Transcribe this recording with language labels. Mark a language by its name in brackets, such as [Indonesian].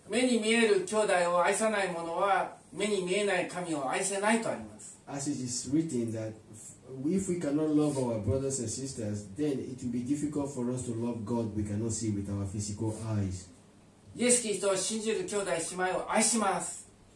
[Japanese] 目に見える兄弟を愛さない者は目に見えない神を愛せないとあります。 [English] As it is written that. If we cannot love our brothers and sisters, then it will be difficult for us to love God we cannot see with our physical eyes. [Japanese] イエス・キリストを信じる兄弟姉妹を愛します。